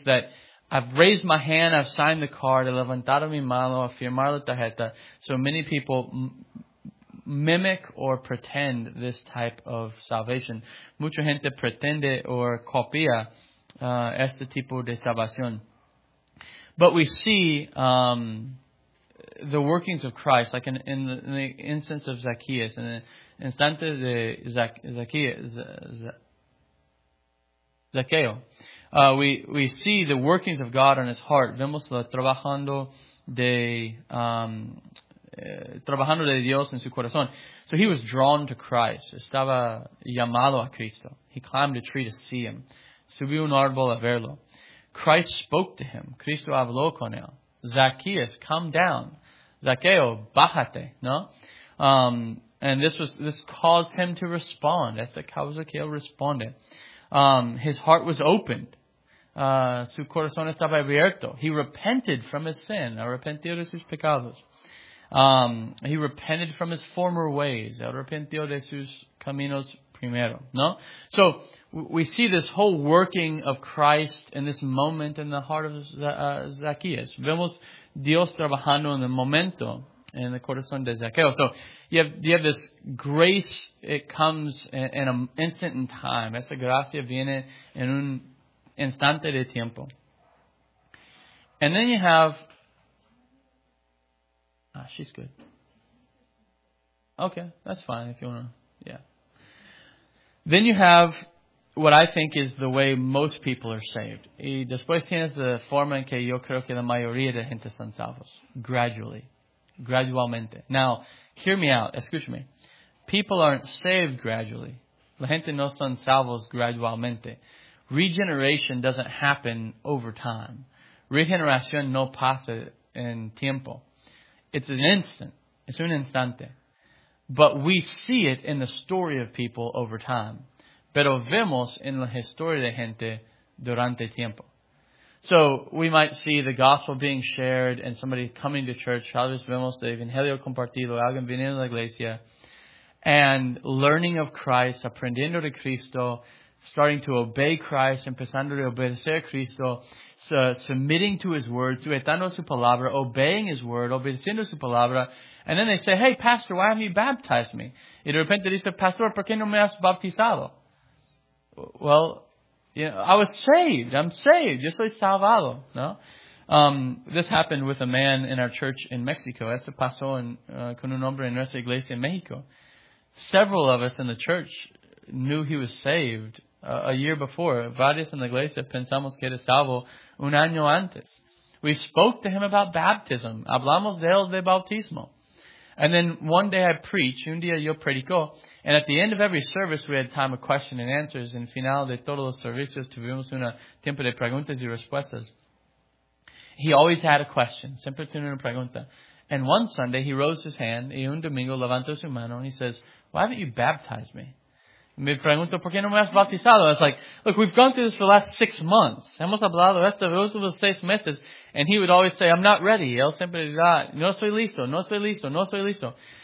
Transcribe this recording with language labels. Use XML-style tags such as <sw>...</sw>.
<en>That I've raised my hand, I've signed the card,</en> <es>he levantado mi mano, a firmar la tarjeta.</es> <en>So many people mimic or pretend this type of salvation.</en> <es>Mucha gente pretende or copia este tipo de salvación.</es> <en>But we see the workings of Christ, like in the instance of Zacchaeus, and</en> <es>instante de Zaqueo.</es> <en>We see the workings of God on his heart.</en> <es>Vemos lo trabajando de trabajando de Dios en su corazón.</es> <en>So he was drawn to Christ.</en> <es>Estaba llamado a Cristo.</es> <en>He climbed a tree to see him.</en> <es>Subió un árbol a verlo.</es> <en>Christ spoke to him.</en> <es>Cristo habló con él.</es> <en>Zacchaeus, come down.</en> <es>Zaqueo, bájate, ¿no?</es> <en>And this caused him to respond.</en> <es>Es la causa que él responde.</es> <en>His heart was opened.</en> <es>Su corazón estaba abierto.</es> <en>He repented from his sin.</en> <es>Arrepentió de sus pecados.</es> <en>He repented from his former ways.</en> <es>Arrepentió de sus caminos primero, ¿no?</es> <en>So we see this whole working of Christ in this moment in the heart of Zacchaeus.</en> <es>Vemos Dios trabajando en el momento en el corazón de Zaqueo.</es> <en>So you have this grace. It comes in an instant in time.</en> <es>Esa gracia viene en un instante de tiempo.</es> <en>And then you have... Ah, she's good. Okay, that's fine if you want to... Yeah. Then you have what I think is the way most people are saved.</en> <es>Y después tienes la forma en que yo creo que la mayoría de gente son salvos. Gradualmente.</es> <en>Now, hear me out.</en> <es>Escúchame.</es> <en>People aren't saved gradually.</en> <es>La gente no son salvos gradualmente.</es> <en>Regeneration doesn't happen over time.</en> <es>Regeneración no pasa en tiempo.</es> <en>It's an instant.</en> <es>Es un instante.</es> <en>But we see it in the story of people over time.</en> <es>Pero vemos en la historia de gente durante tiempo.</es> <en>So we might see the gospel being shared and somebody coming to church.</en> <es>Tal vez vemos el evangelio compartido, alguien viniendo a la iglesia.</es> <en>And learning of Christ,</en> <es>aprendiendo de Cristo,</es> <en>starting to obey Christ,</en> <es>empezando a obedecer a Cristo,</es> <en>submitting to his word,</en> <es>sujetando su palabra,</es> <en>obeying his word,</en> <es>obedeciendo su palabra.</es> <en>And then they say, hey, pastor, why haven't you baptized me?</en> <es>Y de repente dice, pastor, ¿por qué no me has bautizado?</es> <en>Well, you know, I was saved. I'm saved.</en> <es>Yo soy salvado. No?</es> <en>This happened with a man in our church in Mexico.</en> <es>Esto pasó con un hombre en nuestra iglesia en México.</es> <en>Several of us in the church knew he was saved a year before.</en> <es>Varios en la iglesia pensamos que era salvo un año antes.</es> <en>We spoke to him about baptism.</en> <es>Hablamos de él de bautismo.</es> <en>And then one day I preach,</en> <es>un día yo predico,</es> <en>and at the end of every service we had time of question and answers.</en> <es>En final de todos los servicios tuvimos un tiempo de preguntas y respuestas.</es> <en>He always had a question,</en> <es>siempre tenía una pregunta.</es> <en>And one Sunday he rose his hand,</en> <es>y un domingo levantó su mano,</es> <en>and he says, why haven't you baptized me?</en> <es>Me pregunto, ¿por qué no me has bautizado?</es> <en>It's like, look, we've gone through this for the last 6 months.</en> <es>Hemos hablado esto de los últimos 6 meses.</es> <en>And he would always say, I'm not ready.</en> <es>Él siempre dirá, no estoy listo, no estoy listo, no estoy listo.</es>